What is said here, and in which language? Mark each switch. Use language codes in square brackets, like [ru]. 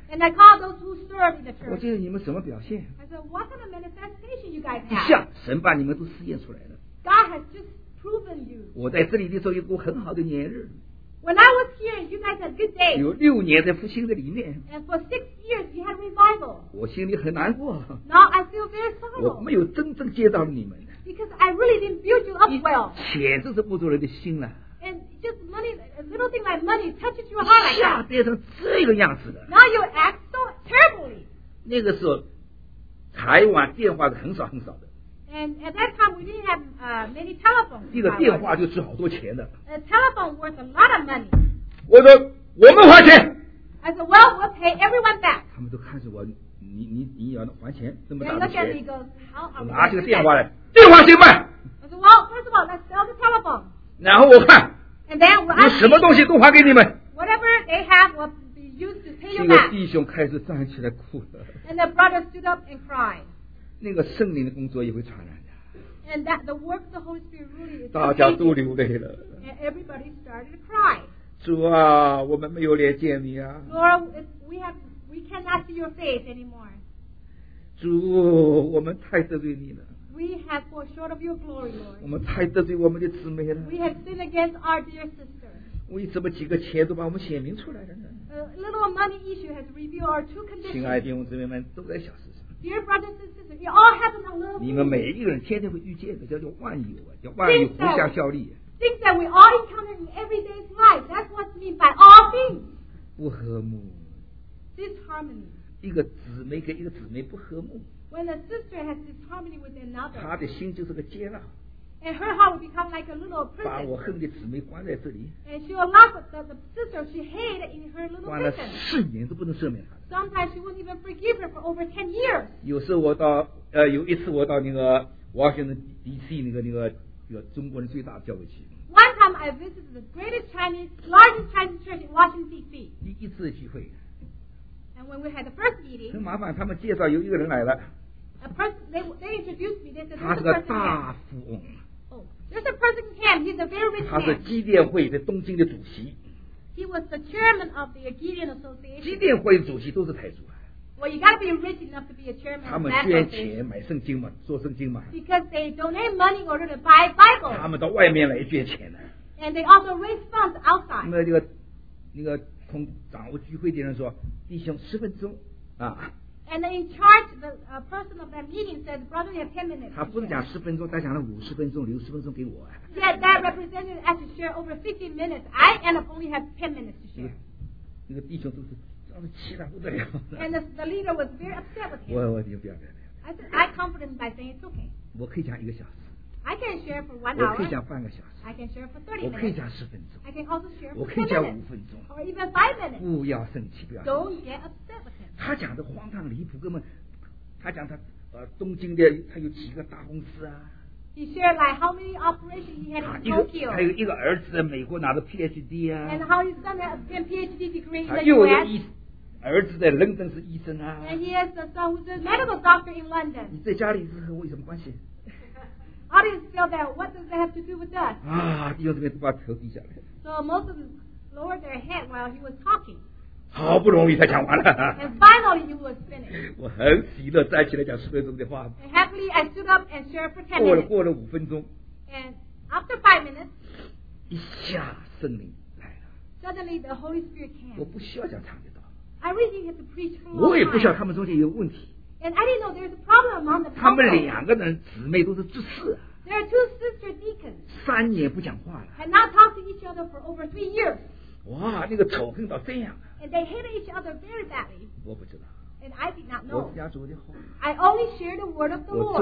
[en] And I called those who served in the church. [zh] 我记得你们什么表现？ [en] I said, what kind of manifestation you guys have? [zh] 一下，神把你们都试验出来了。 [en] God has just proven you. [zh] 我在这里的时候有过很好的年日。 [en] When I was here, you guys had good days. [zh] 有六年在复兴的里面。 [en] And for 6 years, you had revival. [zh] 我心里很难过。 [en] Now I feel very sorrow. [zh] 我没有真正接到你们。 [en] Because I really didn't build you up well. [zh] 简直是不足人的心了。 [en] And just money, a little thing like money touches your heart like that. [zh] 变成这个样子的。 [en] Now you act so terribly. [zh] 那个时候，台湾电话是很少很少的。 [en] And at that time we didn't have many telephones. [zh] 一个电话就值好多钱的。 [en] A telephone worth a lot of money. [zh] 我说我们还钱。 [en] I said, well, we'll pay everyone back. [zh] 他们都看着我，你要还钱，这么大的钱。 [en] They look at me, goes, how? [zh] 拿这个电话来，电话先卖。 [en] I said, well, first of all, let's sell the telephone. [zh] 然后我看 [en] and then we'll ask [zh] 有什么东西都还给你们 [en] whatever they have will be used to pay you back [zh] 这个弟兄开始站起来哭了 [en] and the brother stood up and cried [zh] 那个圣灵的工作也会传染的 [en] and that the work of the Holy Spirit really is [zh] 大家都流泪了 [en] and everybody started to cry [zh] 主啊我们没有脸见你啊 [en] Lord we cannot see your face anymore [zh] 主我们太得罪你了 [en] We have fallen short of your glory, Lord. [zh] 我们太得罪我们的姊妹了。 [en] We have sinned against our dear sisters. [zh] 为什么几个钱都把我们显明出来了呢？ [en] A little money issue has revealed our true condition. [zh] 亲爱的弟兄姊妹们，都在小事上。 [en] Dear brothers and sisters, it all happened on little. [zh] 你们每一个人天天会遇见的，叫万有啊，叫万有互相效力。 [en] Things that we all encounter in everyday's life, that's what's meant by all things. [zh] 不和睦。 [en] Disharmony. [zh] 一个姊妹跟一个姊妹不和睦。 [en] When a sister has disharmony with another, [zh] 她的心就是个监牢。 [en] And her heart will become like a little prison. [zh] 把我恨的姊妹关在这里。 [en] And she will lock the sister she hated in her little prison. [zh] 关了四年都不能赦免她。 [en] Sometimes she won't even forgive her for over 10 years. [zh] 有时候我到有一次我到那个 Washington D.C. 那个中国人最大的教会去。 [en] One time I visited the greatest Chinese, largest Chinese church in Washington D.C. [zh] 第一次的聚会。 [en] And when we had the first meeting, [zh] 很麻烦，他们介绍有一个人来了。 [en] They introduced me. They said, [zh] 他是个大富翁。 [en] There's a person in camp. He's a very rich man. [zh] 他是基甸会的东京的主席。 [en] He was the chairman of the Gideon Association. [zh] 基甸会主席都是财主。 [en] Well, you got to be rich enough to be a chairman. [zh] 他们捐钱买圣经嘛，做圣经嘛。 [en] Because they donate money in order to buy Bible. [zh] 他们到外面来捐钱的。 [en] And they also raise funds outside. [zh] 那个从掌握聚会的人说。弟兄十分钟啊 [en] ！And in charge the person of that meeting said, "Brother, you have 10 minutes." [zh] 他不是讲十分钟，他讲了50分钟，留10分钟给我。 [en] Yeah, that representative has to share over 50 minutes. I end up only have 10 minutes to share. [zh] 那个弟兄都是气得不得了。 [en] And the leader was very upset with him. [zh] 我不要不要。 [en] I said, "I comfort him by saying it's okay." [zh] 我可以讲一个小时。 [en] I can share for 1 hour. [zh] 我可以讲半个小时。 [en] I can share for 30 minutes. [zh] 我可以讲十分钟。 [en] I can also share for 10 minutes. [zh] 我可以讲五分钟。 [en] Or even 5 minutes. [zh] 不要生气，不要。 [en] Don't get upset with him. [zh] 他讲的荒唐离谱，哥们，他讲他东京的他有几个大公司啊。 [en] He shared like how many operations he had in Tokyo. [zh] 他有一个儿子在美国拿着 PhD 啊。 [en] And how his son has a PhD degree in the U.S. [zh] 儿子在伦敦是医生啊。 [en] And he has a son who's a medical doctor in London. [zh] 你在家里是和我有什么关系？ [en] How do you feel that? What does that have to do with us? [zh] 啊，弟兄姊妹都把头低下来。 [en] So most of them lowered their head while he was talking. [zh] 好不容易才讲完了。 [en] And finally he was finished. [zh] 我很喜乐站起来讲十分钟的话。 [en] And happily I stood up and shared for 10 minutes. [zh] 过了五分钟。 [en] And after 5 minutes, [zh] 一下圣灵来了。 [en] Suddenly the Holy Spirit came. [zh] 我不需要讲长的。 [en] I really had to preach for a long time. [zh] 我也不晓得他们中间有问题。 [en] And I didn't know there's a problem among the people. [zh] 他们两个人姊妹都是执事。 [en] There are two sister deacons. [zh] 三年不讲话了。 [en] And not talk to each other for over 3 years. [zh] 哇，那个仇恨到这样。 [en] And they hated each other very badly. [zh] 我不知道。 [en] And I did not know. [zh] 我家族的话。 [en] I only shared the word of the Lord.